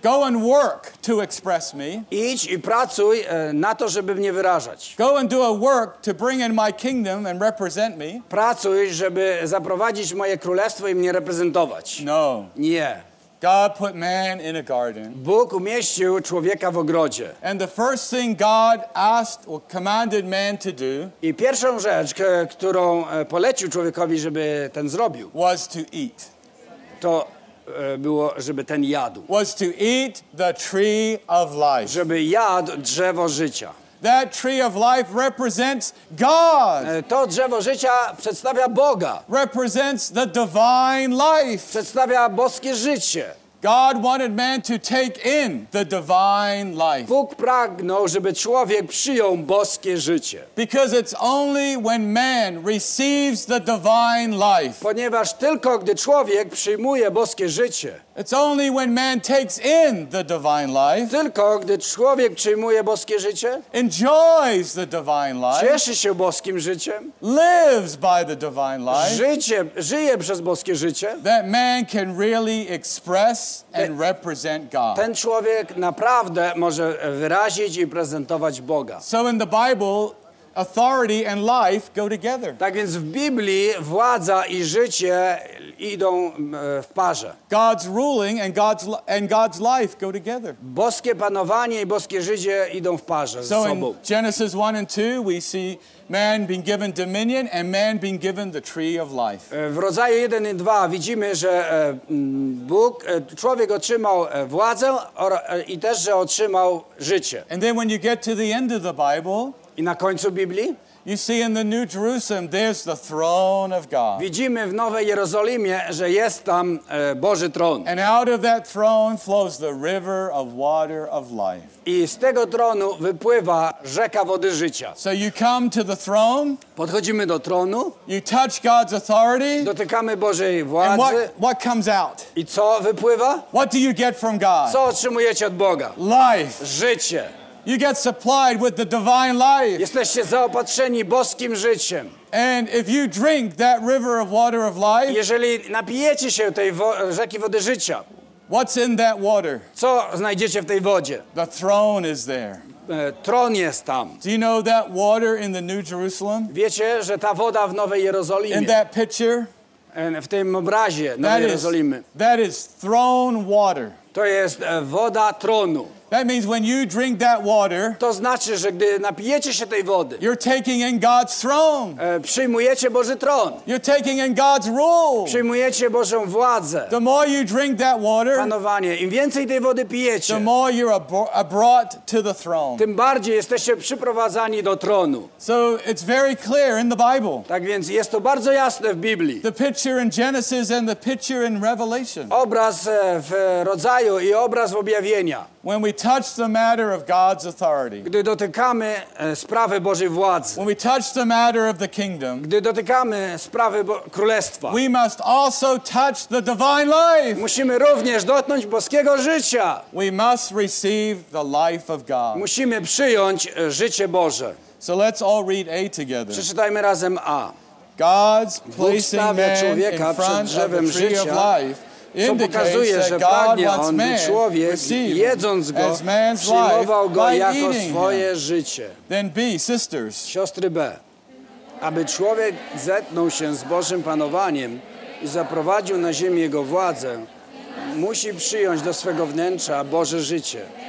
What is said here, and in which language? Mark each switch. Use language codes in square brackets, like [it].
[en] Go and work to express me. [pl] Idź i pracuj na to, żeby mnie wyrażać. [en] Go and do a work to bring in my kingdom and represent me. [pl] Pracuj, żeby zaprowadzić moje królestwo i mnie reprezentować. [en] No. [pl] Nie. [en] God put man in a garden. [pl] Bóg umieścił człowieka w ogrodzie. [en] And the first thing God asked or commanded man to do, [pl] i pierwszą rzecz, którą polecił człowiekowi, żeby ten zrobił, [en] was to eat. [pl] To było, żeby ten jadł. [en] Was to eat the tree of life. [pl] Żeby jadł drzewo życia. [en] That tree of life represents God. [pl] To drzewo życia przedstawia Boga. [en] Represents the divine life. [pl] Przedstawia boskie życie. [en] God wanted man to take in the divine life. [pl] Bóg pragnął, żeby człowiek przyjął boskie życie. [en] Because it's only when man receives the divine life. [pl] Ponieważ tylko gdy człowiek przyjmuje boskie życie. [en] It's only when man takes in the divine life. [pl] Tylko gdy człowiek przyjmuje boskie życie. [en] Enjoys the divine life. [pl] Cieszy się boskim życiem. [en] Lives by the divine life. [pl] Żyje przez boskie życie. [en] That man can really express and represent God. [pl] Ten człowiek naprawdę może wyrazić i prezentować Boga. [en] So in the Bible, authority and life go together. [pl] Tak więc w Biblii władza i życie idą w parze. [en] God's ruling and God's life go together. [pl] Boskie panowanie i boskie życie idą w parze ze sobą. [en] So in Genesis 1 and 2 we see man being given dominion and man being given the tree of life. [pl] W Rodzaju 1 i 2 widzimy, że Bóg, człowiek otrzymał władzę i też, że otrzymał życie. [en] And then when you get to the end of the Bible, [pl] i na końcu Biblii, [en] you see in the New Jerusalem, there's the throne of God. [pl] Widzimy w Nowej Jerozolimie, że jest tam Boży tron. [en] And out of that throne flows the river of water of life. [pl] I z tego tronu wypływa rzeka wody życia. [en] So you come to the throne. [pl] Podchodzimy do tronu. [en] You touch God's authority. [pl] Dotykamy Bożej władzy. [en] And what comes out? [pl] I co wypływa? [en] What do you get from God? [pl] Co otrzymujecie od Boga? [en] Life. [pl] Życie. [en] You get supplied with the divine life. [pl] Jesteście zaopatrzeni boskim życiem. [en] And if you drink that river of water of life, [pl] jeżeli napijecie się tej rzeki wody życia, [en] what's in that water? [pl] Co znajdziecie w tej wodzie? [en] The throne is there. [pl] Tron jest tam. [en] Do you know that water in the New Jerusalem? [pl] Wiecie, że ta woda w Nowej Jerozolimie. [en] In that picture? [pl] W tym obrazie Nowej Jerozolimy. [en] That is throne water. [pl] To jest woda tronu. [en] That means when you drink that water, [pl] to znaczy, że gdy napijecie się tej wody, [en] you're taking in God's throne. [pl] Przyjmujecie Boży tron. [en] You're taking in God's rule. [pl] Przyjmujecie Bożą władzę. [en] The more you drink that water, [pl] panowanie. Im więcej tej wody pijecie, [en] the more you're brought to the throne. [pl] Tym bardziej jesteście przyprowadzani do tronu. [en] So it's very clear in the Bible. [pl] Tak więc jest to bardzo jasne w Biblii. [en] The picture in Genesis and the picture in Revelation. [pl] Obraz w Rodzaju i obraz w Objawienia. [en] When we touch the matter of God's authority, [pl] gdy dotykamy sprawy Bożej władzy, [en] when we touch the matter of the kingdom, [pl] gdy dotykamy sprawy królestwa, [en] we must also touch the divine life. [pl] Musimy również dotknąć boskiego życia. [en] We must receive the life of God. [pl] Musimy przyjąć życie Boże. [en] So let's all read A together. [pl] Przeczytajmy razem A. [en] God's placing man in front of the tree of life. [pl] Co pokazuje, że pragnie on, człowiek, jedząc go, przyjmował go jako swoje życie. [en] Then B, sisters. [pl] Siostry B, aby człowiek zetknął się z Bożym panowaniem i zaprowadził na ziemię jego władzę, musi przyjąć do swego wnętrza Boże życie.